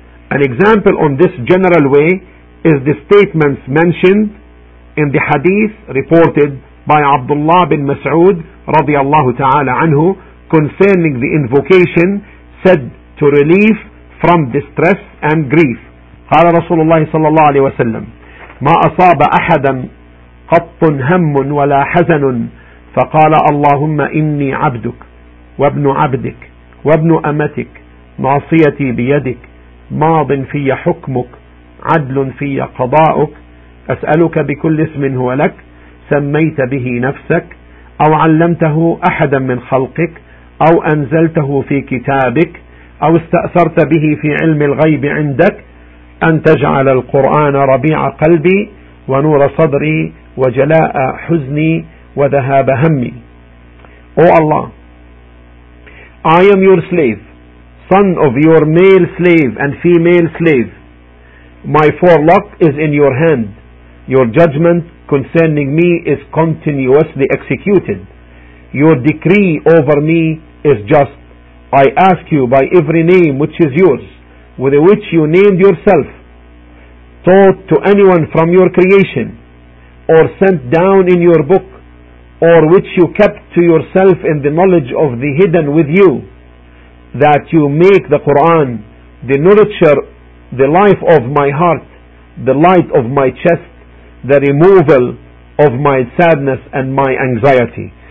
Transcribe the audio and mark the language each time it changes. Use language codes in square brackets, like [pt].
[en] An example on this general way is the statements mentioned in the hadith reported by Abdullah bin Mas'ud radiallahu ta'ala anhu concerning the invocation said to relief from distress and grief. [ar] قال رسول الله صلى الله عليه وسلم ما أصاب أحدا قط هم ولا حزن فقال اللهم إني عبدك وابن عبدك وابن أمتك ناصيتي بيدك ماض في حكمك عدل في قضاءك أسألك بكل اسم هو لك سميت به نفسك أو علمته أحدا من خلقك أو أنزلته في كتابك أو استأثرت به في علم الغيب عندك أن تجعل القرآن ربيع قلبي ونور صدري وجلاء حزني وذهاب همي. [en] O Allah, I am your slave, son of your male slave and female slave. My forelock is in your hand. Your judgment concerning me is continuously executed. Your decree over me is just. I ask you by every name which is yours, with which you named yourself, taught to anyone from your creation, or sent down in your book, or which you kept to yourself in the knowledge of the hidden with you, that you make the Quran the nourisher, the life of my heart, the light of my chest, the removal of my sadness and my anxiety.